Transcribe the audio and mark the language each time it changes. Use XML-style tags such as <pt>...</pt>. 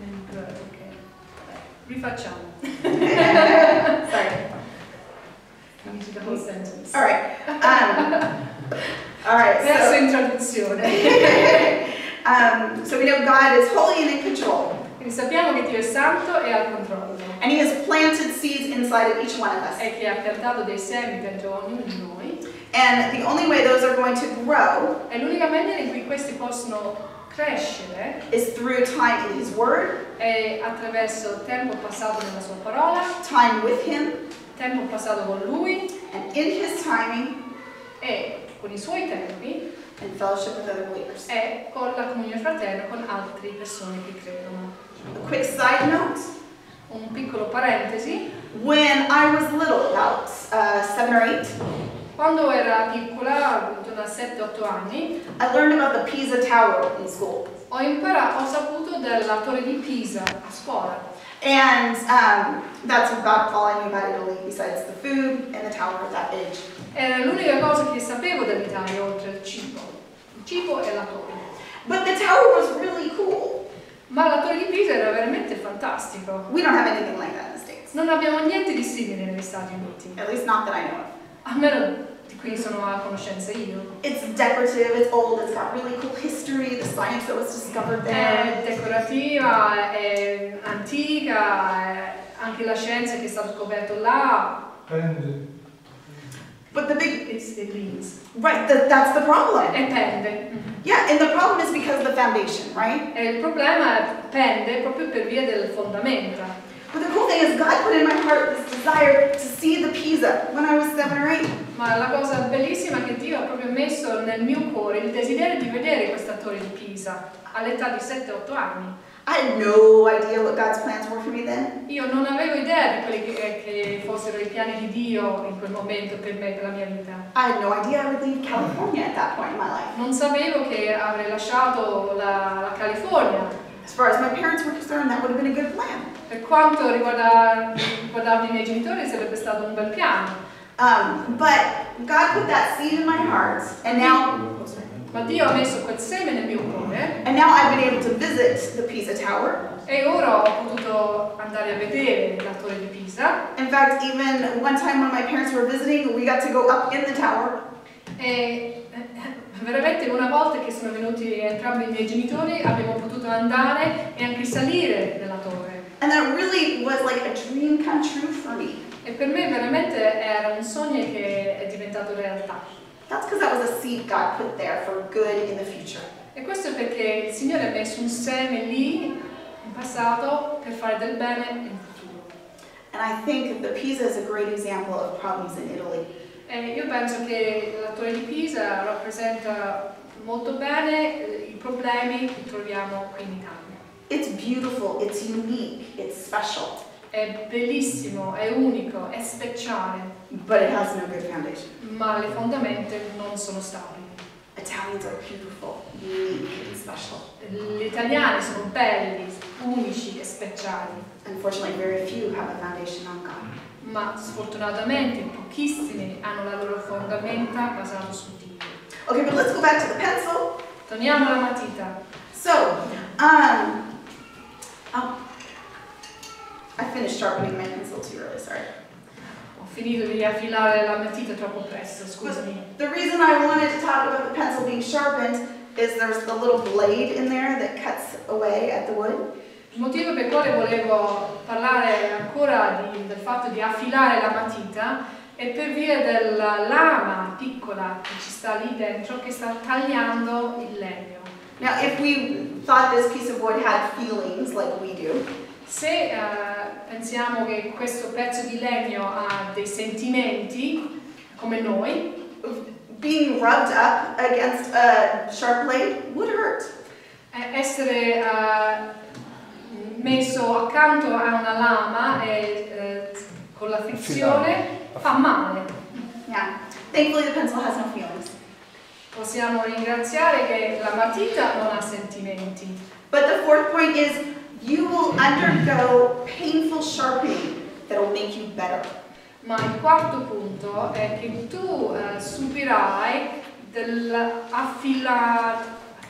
<en>Good, okay.</en> <it>Rifacciamo.</it> <en>Sorry. I need to the whole sentence. All right. All right.</en> <it>Verso so, introduzione.</it> <en>So we know God is holy and in control.</en> <it>Quindi sappiamo che Dio è santo e al controllo.</it> <en>And He has planted seeds inside of each one of us.</en> <it>E che ha piantato dei semi dentro ognuno di noi.</it> <en>And the only way those are going to grow.</en> <it>E l'unica maniera in cui questi possono crescere.</it> <en>Is through time in His Word.</en> <it>È attraverso tempo passato nella Sua parola.</it> <en>Time with Him.</en> <it>Tempo passato con Lui.</it> <en>And in His timing.</en> <it>E con i Suoi tempi.</it> <en>And fellowship with other believers.</en> <it>E con la comunione fraterna con altre persone che credono.</it> <en>A quick side note.</en> <it>Un piccolo parentesi.</it> <en>When I was little, about 7 or 8.</en> <it>Quando era piccola, intorno a 7-8 anni.</it> <en>I learned about the Pisa Tower in school.</en> <it>Ho saputo della torre di Pisa a scuola.</it> <en>And that's about all I knew about Italy, besides the food and the tower at that age.</en> <it>Era l'unica cosa che sapevo dell'Italia oltre al cibo. Il cibo e la torre.</it> <en>But the tower was really cool.</en> <it>Ma la torre di Pisa era veramente fantastico.</it> <en>We don't have anything like that in the States.</en> <it>Non abbiamo niente di simile negli Stati Uniti.</it> <en>At least not that I know of.</en> <it>A meno di cui sono a conoscenza io.</it> <en>It's decorative, it's old, it's got really cool history, the science that was discovered there.</en> <it>È decorativa, è antica, è anche la scienza che è stata scoperta là. Pende.</it> <en>But the big... It leans. Right, that's the problem.</en> <it>È pende.</it> <en>Yeah, and the problem is because of the foundation, right?</en> <it>E il problema pende proprio per via del fondamento.</it> <en>But the cool thing is God put in my heart this desire to see the Pisa when I was 7 or 8.</en> <it>Ma la cosa bellissima che Dio ha proprio messo nel mio cuore il desiderio di vedere questa torre di Pisa all'età di 7-8 anni.</it> <en>I had no idea what God's plans were for me then.</en> <it>Io non avevo idea di quelli che fossero i piani di Dio in quel momento per me, per la mia vita.</it> <en>I had no idea I would leave California at that point in my life.</en> <it>Non sapevo che avrei lasciato la California.</it> <en>As far as my parents were concerned, that would have been a good plan.</en> <it>Per quanto riguardava i miei genitori, sarebbe stato un bel piano.</it> <en>But God put that seed in my heart, and now.</en> <it>Ma Dio ha messo quel seme nel mio cuore.</it> <en>And now I've been able to visit the Pisa Tower.</en> <it>E ora ho potuto andare a vedere la torre di Pisa.</it> <en>In fact, even one time when my parents were visiting, we got to go up in the tower.</en> <it>E veramente una volta che sono venuti entrambi i miei genitori, abbiamo potuto andare e anche salire nella torre.</it> <en>And that really was like a dream come true for me.</en> <it>E per me veramente era un sogno che è diventato realtà.</it> <en>That's because that was a seed God put there for good in the future.</en> <it>E questo è perché il Signore ha messo un seme lì in passato per fare del bene in futuro.</it> <en>And I think the Pisa is a great example of problems in Italy.</en> <it>E io penso che la Torre di Pisa rappresenta molto bene i problemi che troviamo qui in Italia.</it> <en>It's beautiful, it's unique, it's special.</en> <it>È bellissimo, è unico, è speciale.</it> <en>But it has no good foundation.</en> <it>Ma le fondamenta non sono stabili.</it> <en>Italians are beautiful, unique, and special.</en> <it>Gli italiani sono belli, unici e speciali.</it> <en>Unfortunately, very few have a foundation on God.</en> <it>Ma sfortunatamente pochissimi hanno la loro fondamenta basata su Dio.</it> <en>Okay, but let's go back to the pencil.</en> <it>Torniamo alla matita.</it> <en>So, Oh, I finished sharpening my pencil too early, sorry.</en> <it>Ho finito di affilare la matita troppo presto, scusami.</it> <en>The reason I wanted to talk about the pencil being sharpened is there's the little blade in there that cuts away at the wood.</en> <it>Il motivo per quale volevo parlare ancora di, del fatto di affilare la matita è per via della lama piccola che ci sta lì dentro che sta tagliando il legno.</it> <en>Now, if we thought this piece of wood had feelings like we do,</en> <it>se pensiamo che questo pezzo di legno ha dei sentimenti come noi,</it> <en>being rubbed up against a sharp blade would hurt.</en> <it>Essere messo accanto a una lama e con la frizione fa male.</it> <en>Yeah. Thankfully, the pencil has no feelings.</en> <it>Possiamo ringraziare che la matita non ha sentimenti.</it> <en>But the fourth point is you will undergo painful sharpening that will make you better.</en> <it>Ma il quarto punto è che tu subirai affilare.</it>